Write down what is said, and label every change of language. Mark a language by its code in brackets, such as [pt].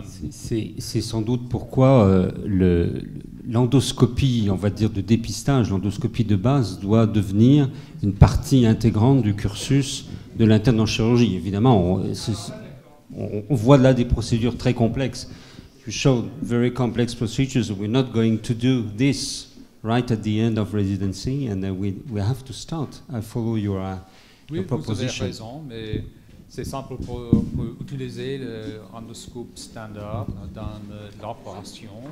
[fr] C'est sans doute pourquoi l'endoscopie, on va dire, de dépistage, l'endoscopie de base, doit devenir une partie intégrante du cursus de l'interne en chirurgie. Évidemment, on voit là des procédures très complexes. [en] You showed very complex procedures. We're not going to do this right at the end of residency, and we have to start. I follow your proposition. [fr] Oui, vous avez raison, mais c'est simple pour utiliser l'endoscope standard dans l'opération.